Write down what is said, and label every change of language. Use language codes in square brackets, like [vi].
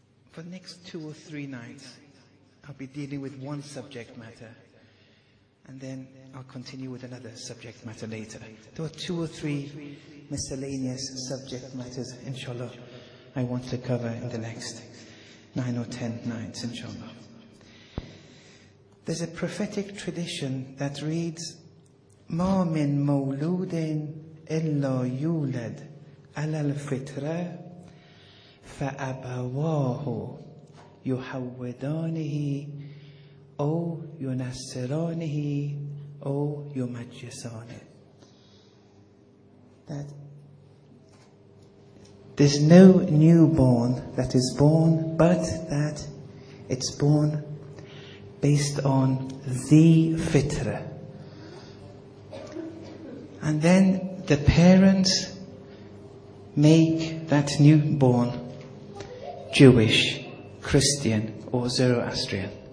[en] For the next two or three nights I'll be dealing with one subject matter and then I'll continue with another subject matter later. There are two or three miscellaneous subject matters, inshallah, I want to cover in the next 9 or 10 nights, inshallah. There's a prophetic tradition that reads, [ar] مَا مِن مَوْلُودٍ إِلَّا يُولَدْ عَلَى الْفِطْرَةِ فَأَبَوَاهُ يُحَوِّدَانِهِ أَوْ يُنَسِّرَانِهِ أَوْ يُمَجِّسَانِهِ. [en] That there's no newborn that is born, but that it's born based on the fitra. And then the parents make that newborn Jewish, Christian, or Zoroastrian.